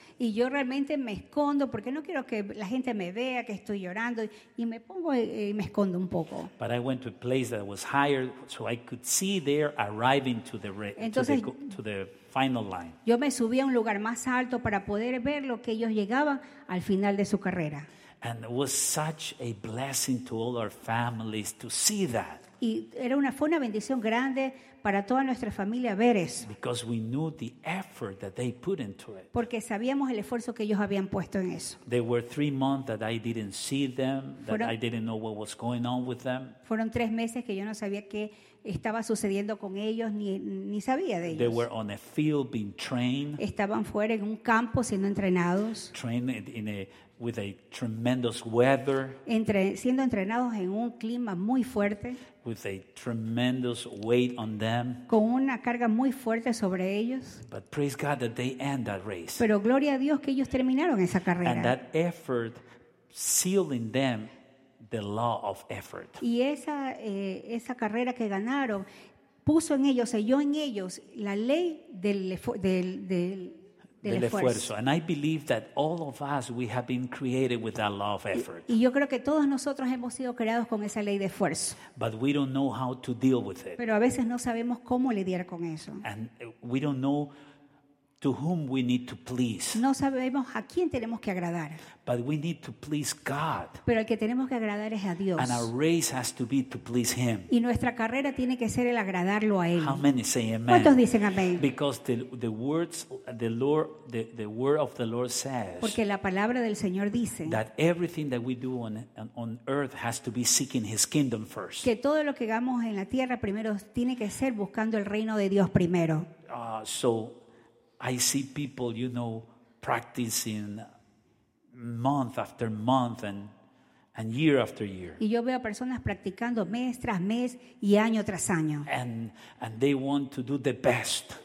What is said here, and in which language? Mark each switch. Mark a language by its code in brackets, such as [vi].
[es] Y yo realmente me escondo porque no quiero que la gente me vea que estoy llorando y me pongo y me escondo un poco. [en] But I went to a place that was higher so I could see there arriving to the final line. [es] Yo me subí a un lugar más alto para poder ver lo que ellos llegaban al final de su carrera. [en] And it was such a blessing to all our families to see that. [es] Y fue una bendición grande para toda nuestra familia ver eso. [en] Because we knew the effort that they put into it. [es] Porque sabíamos el esfuerzo que ellos habían puesto en eso. [en] There were 3 months that I didn't see them, that I didn't know what was going on with them. [es] Fueron 3 meses que yo no sabía qué estaba sucediendo con ellos ni sabía de ellos. [en] They were on a field being trained. [es] Estaban fuera en un campo siendo entrenados. [en] Trained in a with a tremendous weather. [es] Siendo entrenados en un clima muy fuerte. [en] With a tremendous weight on them. [es] Con una carga muy fuerte sobre ellos. [en] But praise God that they end that race. [es] Pero gloria a Dios que ellos terminaron esa carrera. [en] And that effort sealing them the law of effort. [es] Y esa carrera que ganaron puso en ellos, selló en ellos la ley del esfuerzo. [en] And I believe that all of us, we have been created with that law of effort. [es] Y yo creo que todos nosotros hemos sido creados con esa ley de esfuerzo. [en] But we don't know how to deal with it. [es] Pero a veces no sabemos cómo lidiar con eso. [en] And we don't know to whom we need to please. [es] No sabemos a quién tenemos que agradar. [en] But we need to please God. [es] Pero el que tenemos que agradar es a Dios. [en] And our race has to be to please Him. [es] Y nuestra carrera tiene que ser el agradarlo a Él. [en] How many say amen? [es] ¿Cuántos dicen amén? [en] Because the words the Lord the word of the Lord says. [es] Porque la palabra del Señor dice. [en] That everything that we do on earth has to be seeking His kingdom first. [es] Que todo lo que hagamos en la tierra primero tiene que ser buscando el reino de Dios primero. [en] So I see people, you know, practicing month after month and year after year. [es] Y yo veo personas practicando mes tras mes y año tras año. [en] And they want to do the best.